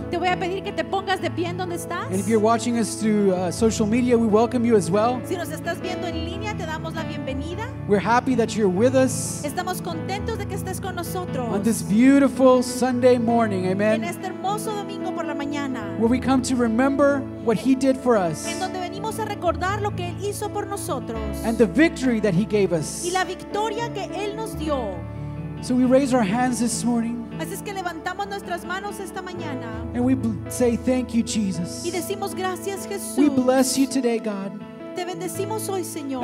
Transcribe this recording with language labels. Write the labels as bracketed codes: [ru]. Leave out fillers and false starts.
[es] Te voy a pedir que te pongas de pie en donde estás. [en] And if you're watching us through social media, we welcome you as well. [es] Si nos estás viendo en línea, te damos la bienvenida. [en] We're happy that you're with us. [es] Estamos contentos de que estés con nosotros. [en] On this beautiful Sunday morning. Amen. [es] En este hermoso domingo por la mañana. [en] Where we come to remember what He did for us. [es] En donde venimos a recordar lo que Él hizo por nosotros. [en] And the victory that He gave us. [es] Y la victoria que Él nos dio. [en] So we raise our hands this morning. [es] Así es que levantamos nuestras manos esta mañana. [en] And we say thank you, Jesus. [es] Y decimos gracias, Jesús. [en] We bless you today, God. [es] Te bendecimos hoy, Señor.